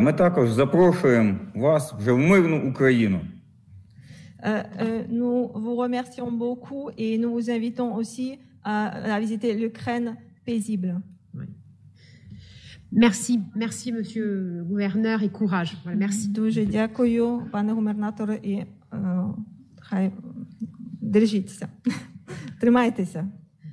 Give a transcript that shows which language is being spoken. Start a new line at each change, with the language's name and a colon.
Ukrainian: Ми також запрошуємо вас вже в мирну Україну.
French: Nous vous remercions beaucoup et nous vous invitons aussi à visiter l'Ukraine paisible. Merci, merci monsieur le gouverneur et courage. Voilà, merci.
Ukrainian: Дуже дякую, пане губернаторе, і хай держіться. Тримайтеся.